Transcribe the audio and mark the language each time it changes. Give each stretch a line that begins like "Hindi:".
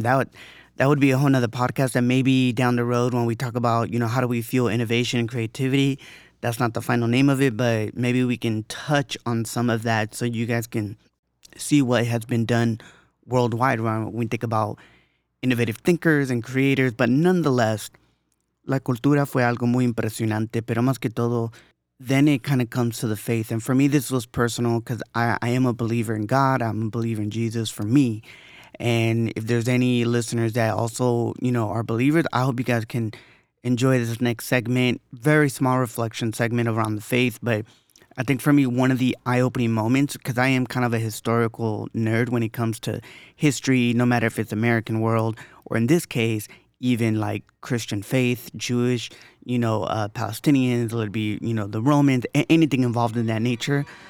English: That would be a whole nother podcast that maybe down the road when we talk about, you know, how do we fuel innovation and creativity. That's not the final name of it, but maybe we can touch on some of that so you guys can see what has been done worldwide when we think about innovative thinkers and creators. But nonetheless,
Spanish: la cultura fue algo muy impresionante, pero más que todo,
English: then it kind of comes to the faith. And for me, this was personal because I am a believer in God. I'm a believer in Jesus for me. And if there's any listeners that also, you know, are believers, I hope you guys can enjoy this next segment. Very small reflection segment around the faith. But I think for me, one of the eye-opening moments, because I am kind of a historical nerd when it comes to history, no matter if it's American world or in this case, even like Christian faith, Jewish, you know, Palestinians, let it be, you know, the Romans, anything involved in that nature.